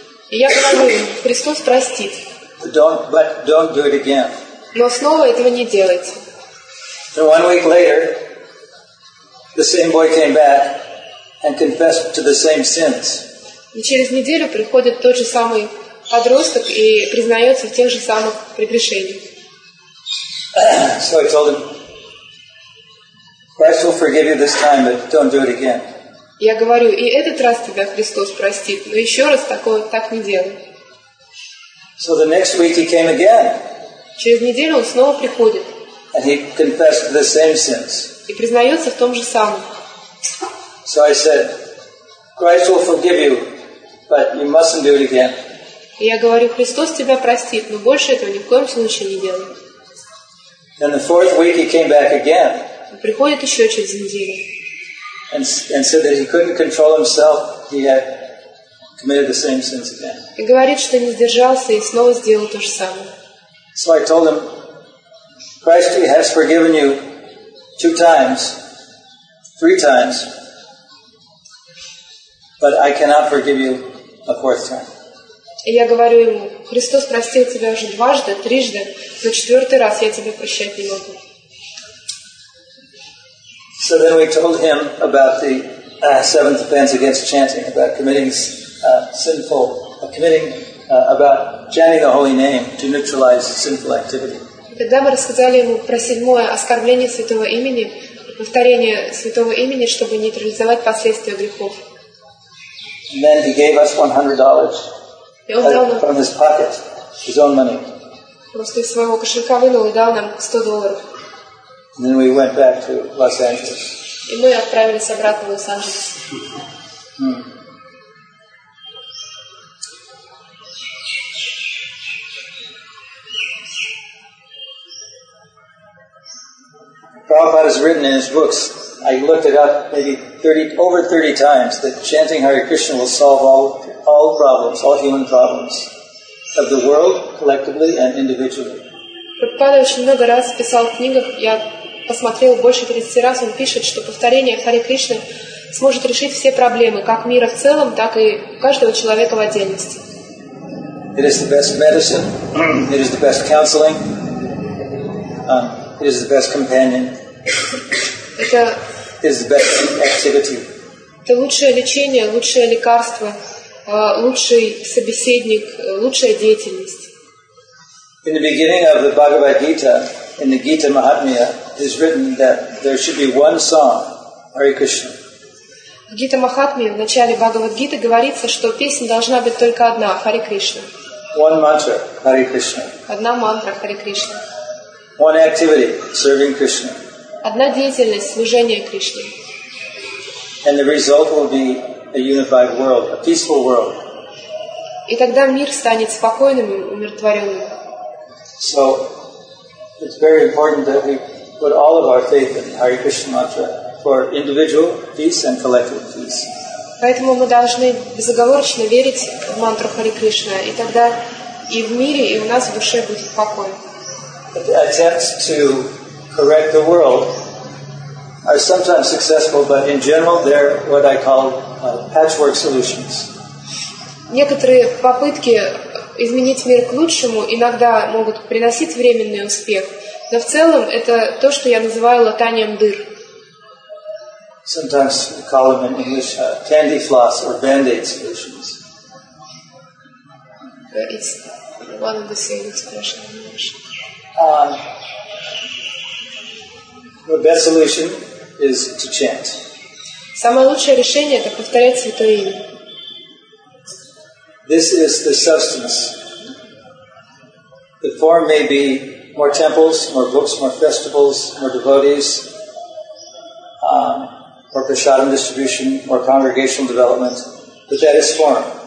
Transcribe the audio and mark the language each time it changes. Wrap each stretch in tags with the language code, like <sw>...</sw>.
<ru>И я говорю им, Христос простит.</ru> <en>But don't do it again.</en> <ru>Но снова этого не делайте.</ru> <en>So one week later, the same boy came back and confessed to the same sins.</en> <ru>И через неделю приходит тот же самый подросток и признается в тех же самых прегрешениях.</ru> <en>So I told him, Christ will forgive you this time, but don't do it again.</en> <ru>Я говорю, и этот раз тебя Христос простит, но еще раз такого так не делай.</ru> <en>So the next week he came again.</en> <ru>Через неделю он снова приходит.</ru> <en>And he confessed the same sins.</en> <ru>И признается в том же самом.</ru> <en>So I said, Christ will forgive you, but you mustn't do it again.</en> <ru>И я говорю, Христос тебя простит, но больше этого ни в коем случае не делай.</ru> <en>Then the fourth week he came back again.</en> <ru>Он приходит еще через неделю.</ru> <en>And said that he couldn't control himself, he had committed the same sins again.</en> <ru>И говорит, что не сдержался и снова сделал то же самое.</ru> <en>So I told him, Christ has forgiven you two times, three times, but I cannot forgive you a fourth time.</en> <ru>И я говорю ему, Христос простил тебя уже дважды, трижды, но четвертый раз я тебя прощать не могу.</ru> <en>So then we told him about the seventh offense against chanting, about committing sinful, about chanting the holy name to neutralize sinful activity.</en> <ru>Тогда мы рассказали ему про седьмое оскорбление святого имени, повторение святого имени, чтобы нейтрализовать последствия грехов.</ru> <en>And then he gave us $100. From his pocket, his own money.</en> <ru>Просто из своего кошелька вынул и дал нам $100.</ru> <en>And then we went back to Los Angeles.</en> <ru>И мы отправились обратно в Лос-Анджелес.</ru> <en>Prabhupada has written in his books, I looked it up maybe over 30 times, that chanting Hare Krishna will solve all problems, all human problems of the world, collectively and individually.</en> <ru>Prabhupada очень много раз писал в книгах, я посмотрел больше 30 раз, он пишет, что повторение Hare Krishna сможет решить все проблемы, как мира в целом, так и каждого человека в отдельности.</ru> <en>It is the best medicine, it is the best counseling, it is the best companion. It is the best activity.</en> <ru>Это лучшее лечение, лучшее лекарство, лучший собеседник, лучшая деятельность.</ru> <en>In the beginning of the Bhagavad Gita, in the Gita Mahatmya, it is written that there should be one song, Hare Krishna.</en> <ru>В Гита Махатмья, в начале Бхагавад Гиты, говорится, что песня должна быть только одна, Hare Krishna.</ru> <en>One mantra, Hare Krishna.</en> <ru>Одна мантра, Hare Krishna.</ru> <en>One activity, serving Krishna.</en> <ru>Одна деятельность, служение Кришне.</ru> <en>And the result will be a unified world, a peaceful world.</en> <ru>И тогда мир станет спокойным и умиротворенным.</ru> <en>So, it's very important that we put all of our faith in Hare Krishna mantra for individual peace and collective peace.</en> <ru>Поэтому мы должны безоговорочно верить в мантру Хари Кришна, и тогда и в мире, и у нас в душе будет покой.</ru> <en>But the attempts to correct the world are sometimes successful, but in general they're what I call patchwork solutions.</en> <ru>Некоторые попытки изменить мир к лучшему иногда могут приносить временный успех, но в целом это то, что я называю латанием дыр.</ru> <en>sometimes we call them in English candy floss or band-aid solutions. It's one of the same expression in English. The best solution is to chant.</en> <ru>Самое лучшее решение – это повторять святое имя.</ru> <en>This is the substance. The form may be more temples, more books, more festivals, more devotees, more prasadam distribution, more congregational development, but that is form.</en>